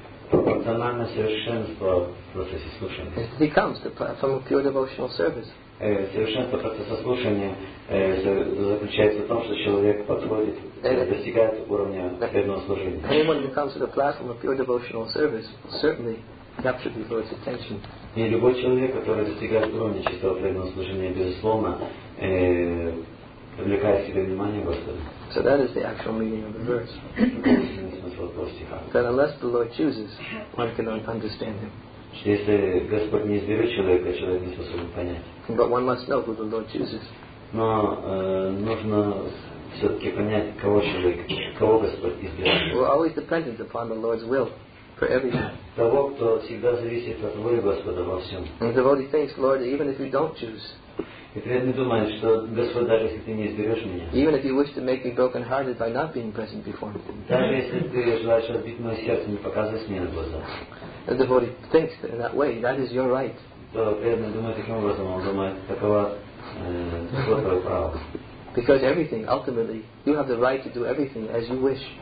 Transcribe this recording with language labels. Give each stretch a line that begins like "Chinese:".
Russian: Пропорциональное совершенство в процессе слушания.
English: It becomes from a pure devotional service.
Russian: Совершенство процесса слушания заключается в том, что человек подходит и достигает уровня преданного служения.
English: Anyone who comes to the platform of pure devotional service certainly captures the Lord's attention.
Russian: И любой человек, который достигает уровня чистого преданного служения, безусловно, привлекает себе внимание Господа.
English: So that is the actual meaning of the verse. That unless the Lord chooses, one cannot understand him.
Russian: Если Господь не изберет человека, человек не способен понять.
English: But one must know who the Lord chooses.
Russian: Но нужно все-таки понять, кого человек, кого Господь избирает.
English: We're always dependent upon the Lord's will for everything.
Russian: Того, кто всегда зависит от воли Господа во всем.
English: And the devotee thinks, Lord, even if you don't choose.
Russian: И преданный думает, что Господь, даже если ты не изберешь меня.
English: Even if you wish to make me broken-hearted by not being present before.
Russian: Даже если ты желаешь разбить мое сердце, не показываясь мне на глаза.
English: The devotee thinks in that way, that is your right. Because everything, ultimately, you have the right to do everything as you wish.